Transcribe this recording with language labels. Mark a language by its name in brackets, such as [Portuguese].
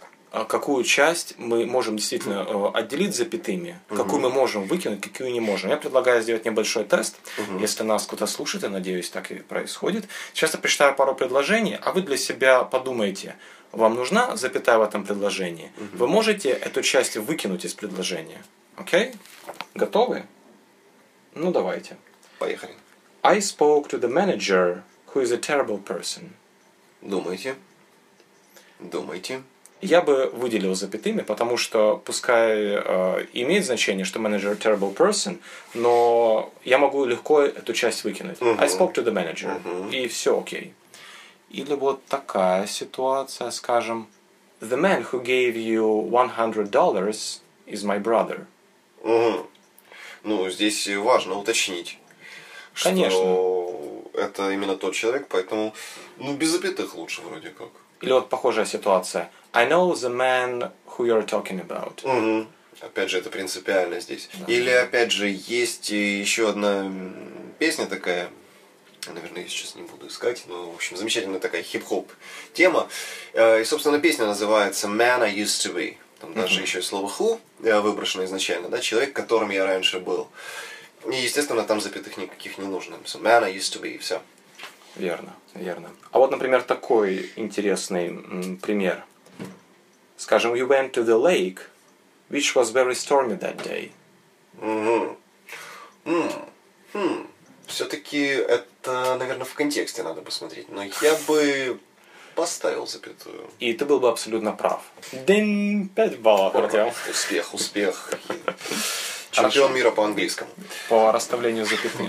[Russian] какую часть мы можем действительно отделить запятыми, какую мы можем выкинуть, какую не можем. Я предлагаю сделать небольшой тест. Если нас кто-то слушает, я надеюсь, так и происходит. Сейчас я прочитаю пару предложений, а вы для себя подумайте, вам нужна запятая в этом предложении? Вы можете эту часть выкинуть из предложения? Окей? Готовы? Ну, давайте. Поехали. [English] I spoke to the manager, who is a terrible person. [Russian] Думайте. Думайте. Я бы выделил запятыми, потому что пускай имеет значение, что [English] manager terrible person, [Russian] но я могу легко эту часть выкинуть. [English] I spoke to the manager. [Russian] И все окей. Или вот такая ситуация, скажем, [English] the man who gave you $100 is my brother. [Russian] Ну, здесь важно уточнить, конечно, что это именно тот человек, поэтому, ну, без запятых лучше вроде как. Или вот похожая ситуация. [English] I know the man who you're talking about. [Russian] Опять же, это принципиально здесь. Да. Или, опять же, есть еще одна песня такая. Наверное, я сейчас не буду искать. Но, в общем, замечательная такая хип-хоп тема. И, собственно, песня называется Man I Used to Be. Там даже еще и слово who выброшено изначально. Да? Человек, которым я раньше был. И, естественно, там запятых никаких не нужно. [English] So, man I used to be. Все. [Russian] Верно, верно. А вот, например, такой интересный пример. [English] Скажем, you went to the lake, which was very stormy that day. [Russian] Все-таки это, наверное, в контексте надо посмотреть. Но я бы поставил запятую. И ты был бы абсолютно прав. Дин! 5 баллов, Артём. Успех, успех. Чемпион мира по английскому. По расставлению запятых.